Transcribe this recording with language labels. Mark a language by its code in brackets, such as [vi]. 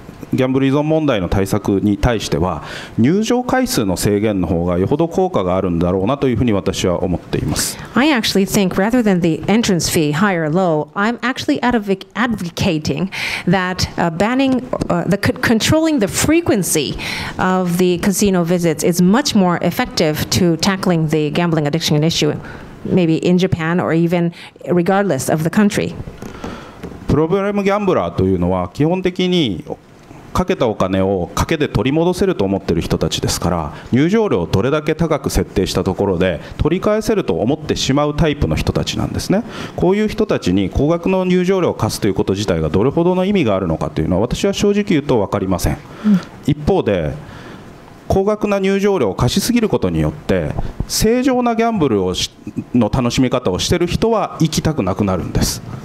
[ja] ギャンブル依存問題の対策に対しては入場回数の制限の方がよほど効果があるんだろうなというふうに私は思っています。 [en] I actually think rather than the entrance fee high or low, I'm actually advocating that banning the controlling the frequency of the casino visits is much more effective to tackling the gambling addiction issue, maybe in Japan or even regardless of the country. [ja] プロブレムギャンブラーというのは基本的に かけたお金をかけて取り戻せると思っている人たちですから、入場料をどれだけ高く設定したところで取り返せると思ってしまうタイプの人たちなんですね。こういう人たちに高額な入場料を課すということ自体がどれほどの意味があるのかというのは私は正直言うと分かりません。一方で高額な入場料を課しすぎることによって正常なギャンブルの楽しみ方をしている人は行きたくなくなるんです。